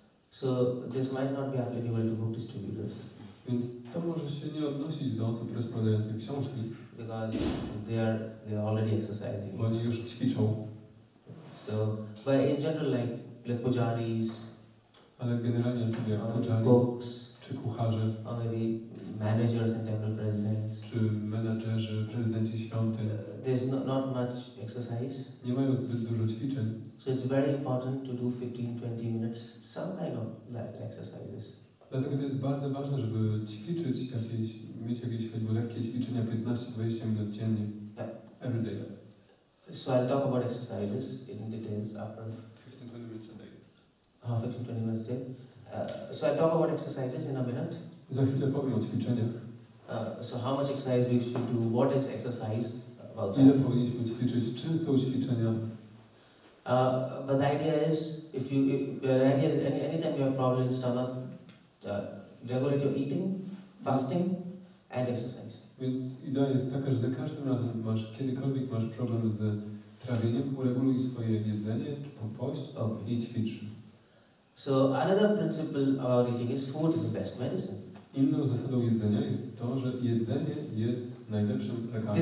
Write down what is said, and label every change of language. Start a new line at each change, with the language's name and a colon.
English: So this might not be applicable to book distributors.
Polish: Więc to może się nie odnosić do osób rozkładających książki.
English: Because they are already exercising.
Polish: Bo oni już ćwiczą.
English: So, but in general like pujaris.
Polish: Ale generalnie sobie pujaris.
English: Cooks.
Polish: Czy kucharze.
English: Or maybe managers and temple presidents.
Polish: Czy menadżerzy, prezydenci świątyń.
English: There's not much exercise.
Polish: Nie mają zbyt dużo ćwiczeń.
English: So it's very important to do 15-20 minutes some kind of like exercises.
Polish: Dlatego to jest bardzo ważne, żeby ćwiczyć jakieś, mieć jakieś choćby lekkie ćwiczenia 15-20 minut dziennie.
English: Yeah. Every day. So I'll talk about exercises in details after 15-20 minutes a day. Ah, 15-20 minutes a day. So I'll talk about exercises in a minute.
Polish: Za chwilę powiem o ćwiczeniach.
English: So how much exercise we should do? What is exercise about that?
Polish: Ile powinniśmy ćwiczyć? Czym są ćwiczenia?
English: But the idea is, anytime you have a problem in stomach, regulate your eating, fasting, and exercise.
Polish: Więc idea jest taka, że za każdym razem masz, kiedykolwiek masz problem z trawieniem, ureguluj swoje jedzenie, czy pość,
English: okay,
Polish: i ćwicz.
English: So another principle about eating is food is the best medicine.
Polish: Inną zasadą jedzenia jest to, że jedzenie jest najlepszym lekarzem.